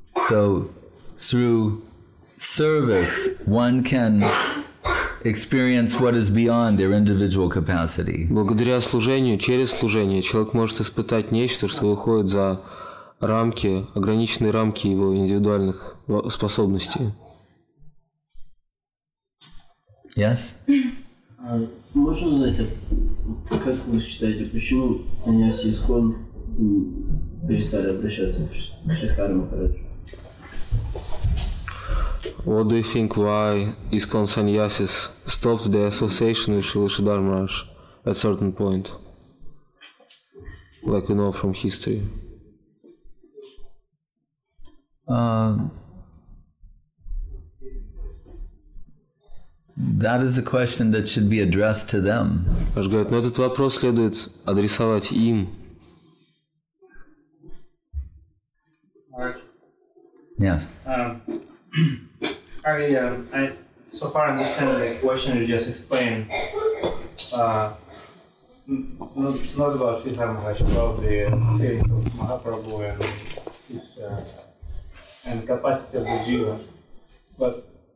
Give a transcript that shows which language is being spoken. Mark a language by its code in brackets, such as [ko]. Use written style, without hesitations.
[en] So, through service, one can experience what is beyond their individual capacity. [ru] Благодаря служению, через служение, человек может испытать нечто, что выходит за рамки, ограниченные рамки его индивидуальных способностей. [en] Yes? [ru] Можно узнать, как вы считаете, почему саньяси искон перестали обращаться к Шридхар Махараджу? [en] What do you think why искон саньясис stopped the association with Шридхар Махарадж at certain point? Like we know from history. That is a question that should be addressed to them. [ru] Он говорит, но этот вопрос следует адресовать им. [en] Yeah. I so far understand the question you just explained. Not about Sridhar Maharaj, about the faith of Mahaprabhu and his and capacity of the jiva, but.